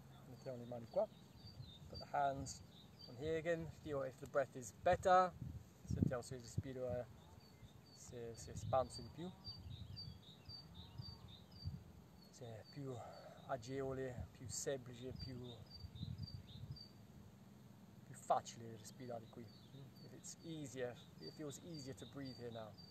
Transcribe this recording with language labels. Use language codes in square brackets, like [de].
[it] Mettiamo le mani qua, [en] put the hands on here again, feel if the breath is better. [it] Sentiamo se il respiro si espanse di più. Se è più agevole, più semplice, più facile respirare qui. [en] It's easier, it feels easier to breathe here now.